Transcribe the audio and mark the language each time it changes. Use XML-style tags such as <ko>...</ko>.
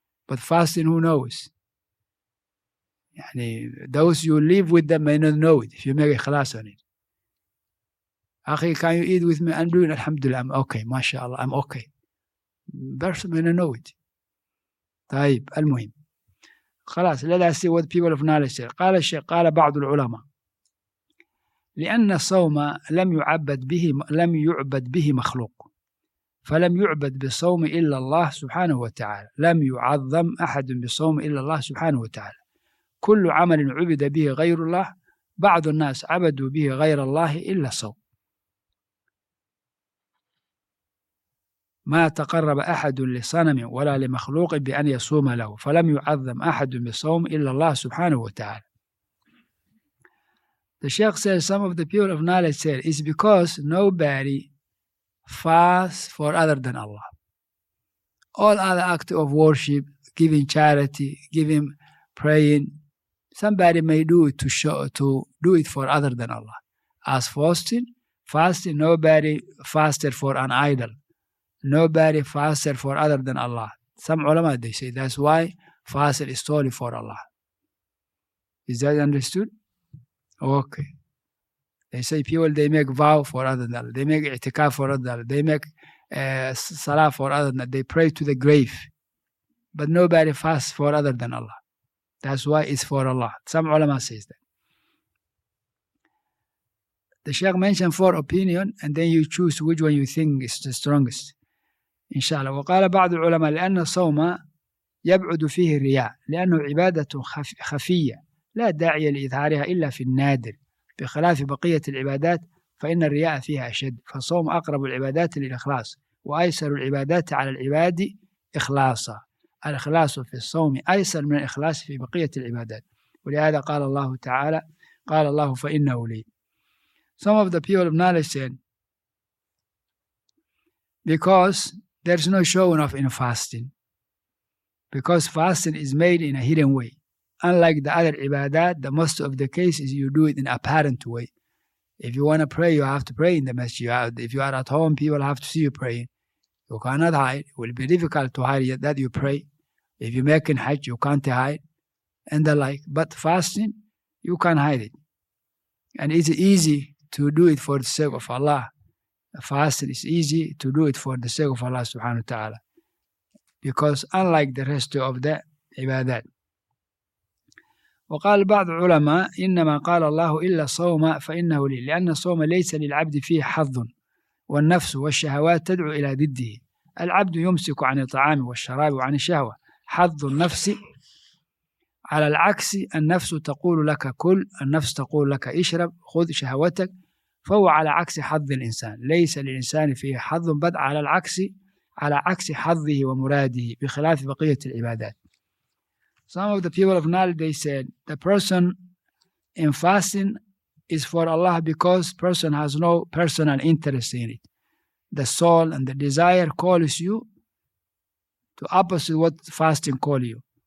<en>But fasting, who knows? Yani, those you live with them may not know it, if you make a khalas on it. Akhi, can you eat with me? I'm doing alhamdulillah, I'm okay, mashallah, I'm okay. Person may not know it.</en> <ar>Taib, al-muhim.</ar> <en>Khalas, let us see what people of knowledge say.</en> <ar>Qala al-shaykh, qala ba'du al-ulama. لأن الصوم لم يعبد به مخلوق فلم يعبد بصوم إلا الله سبحانه وتعالى لم يعظم أحد بصوم إلا الله سبحانه وتعالى كل عمل عبد به غير الله بعض الناس عبدوا به غير الله إلا الصوم ما تقرب أحد لصنم ولا لمخلوق بأن يصوم له فلم يعظم أحد بصوم إلا الله سبحانه وتعالى.</ar> <en>The Sheikh says, some of the people of knowledge said, it's because nobody fasts for other than Allah. All other acts of worship, giving charity, giving praying, somebody may do it to do it for other than Allah. As fasting, nobody fasted for an idol. Nobody fasted for other than Allah. Some ulama, they say, that's why fasting is solely for Allah. Is that understood? Okay. They say people, they make vow for other than Allah. They make i'tikaf for other than Allah. They make salah for other than Allah. They pray to the grave. But nobody fasts for other than Allah. That's why it's for Allah. Some ulama says that. The Sheikh mentioned four opinion, and then you choose which one you think is the strongest. Inshallah.</en> <ar>وقال بعض العلماء لأن صوم يبعد فيه الرياء لأنه عبادة خفية لا داعي لإظهارها إلا في النادر بخلاف بقية العبادات ف فإن الرياء فيها أشد. فالصوم أقرب العبادات للإخلاص وأيسر العبادات على العباد إخلاصا. الإخلاص في الصوم أيسر من الإخلاص في بقية العبادات. ولهذا قال الله تعالى قال الله فإنه لي.</ar> <en>Some of the people of knowledge said, because there's no showing off in fasting, because fasting is made in a hidden way. Unlike the other ibadat, the most of the case is you do it in an apparent way. If you want to pray, you have to pray in the masjid. If you are at home, people have to see you praying. You cannot hide. It will be difficult to hide that you pray. If you make in hajj, you can't hide. And the like. But fasting, you can't hide it. And it's easy to do it for the sake of Allah. Fasting is easy to do it for the sake of Allah subhanahu wa ta'ala. Because unlike the rest of the ibadat.</en> <ar>وقال بعض علماء إنما قال الله إلا صوم فإنه لي، لأن الصوم ليس للعبد فيه حظ، والنفس والشهوات تدعو إلى ضده. العبد يمسك عن الطعام والشراب وعن الشهوة حظ النفس، على العكس النفس تقول لك كل، النفس تقول لك اشرب خذ شهوتك، فهو على عكس حظ الإنسان، ليس للإنسان فيه حظ، بدء على العكس على عكس حظه ومراده بخلاف بقية العبادات.</ar> <en>Some of the people of knowledge, they said, the person in fasting is for Allah because person has no personal interest in it. The soul and the desire calls you to opposite what fasting calls you.</en>